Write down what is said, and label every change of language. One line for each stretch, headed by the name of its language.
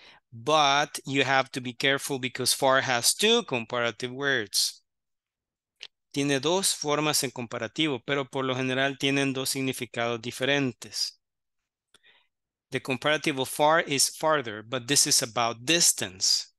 English: But you have to be careful because far has two comparative words.
Spanish: Tiene dos formas en comparativo, pero por lo general tienen dos significados diferentes.
English: The comparative of far is farther, but this is about distance.